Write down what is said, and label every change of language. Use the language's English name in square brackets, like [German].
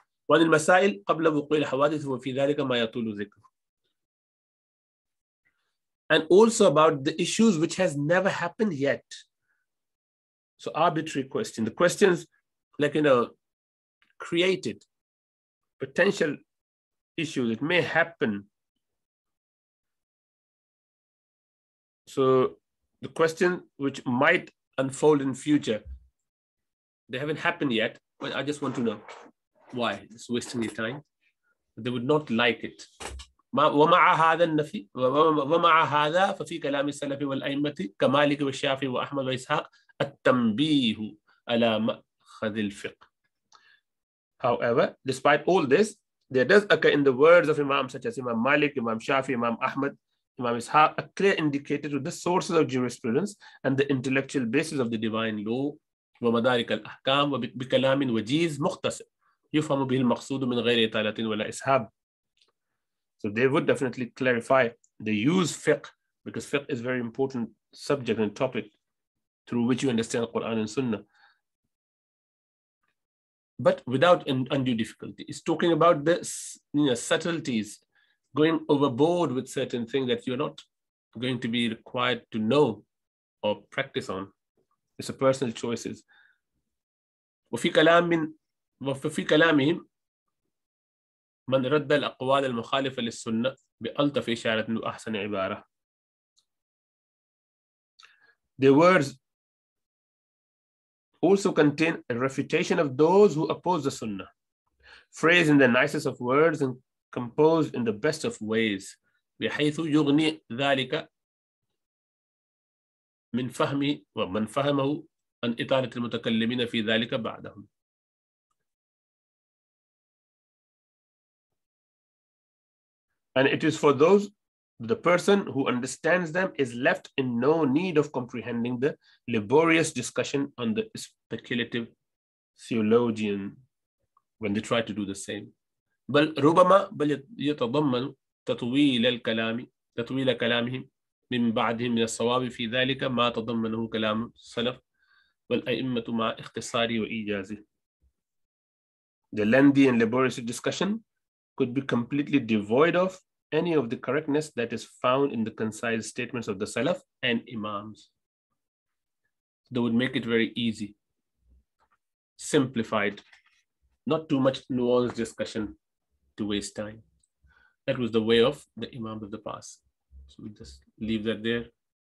[Arabic] وعن المسائل قبل وقوع الحوادث وفي ذلك ما يطول ذكر. [English] And also about the issues which has never happened yet. So arbitrary question. The questions, like, you know, created potential issues. It may happen. So the question which might unfold in future, they haven't happened yet, but I just want to know why. It's wasting your time. They would not like it. [Arabic] ومع هذا النفي ومع هذا ففي كلام السلف والأئمة كمالك والشافعي وأحمد وإسحاق التنبيه على مأخذ الفقه. [English] However, despite all this, there does occur in the words of Imam such as Imam Malik, Imam Shafi, Imam Ahmad, Imam Ishaq, a clear indicator to the sources of jurisprudence and the intellectual basis of the divine law. [Arabic] ومدارك الأحكام وبكلام وجيز مختصر يفهم به المقصود من غير إطالة ولا إسهاب. [English] So they would definitely clarify the use fiqh, because fiqh is a very important subject and topic through which you understand Quran and Sunnah. But without undue difficulty. It's talking about the, you know, subtleties, going overboard with certain things that you're not going to be required to know or practice on. It's a personal choices. [Arabic] وفي كلامهم من رد الأقوال المخالفة للسنة بألطف إشارة وأحسن عبارة. [English] The words also contain a refutation of those who oppose the Sunnah, phrased in the nicest of words and composed in the best of ways. [Arabic] بحيث يغني ذلك من فهم ومن فهمه أن إطالة المتكلمين في ذلك بعدهم. [English] And it is for those, the person who understands them is left in no need of comprehending the laborious discussion on the speculative theologian when they try to do the same. [Arabic] بل ربما بل يتضمن تطويل الكلام تطويل كلامهم من بعدهم من الصواب في ذلك ما تضمنه كلام السلف والأئمة مع اختصاره وإيجازه. [English] The lengthy and laborious discussion could be completely devoid of any of the correctness that is found in the concise statements of the Salaf and Imams. They would make it very easy, simplified, not too much nuanced discussion to waste time. That was the way of the Imams of the past. So we just leave that there.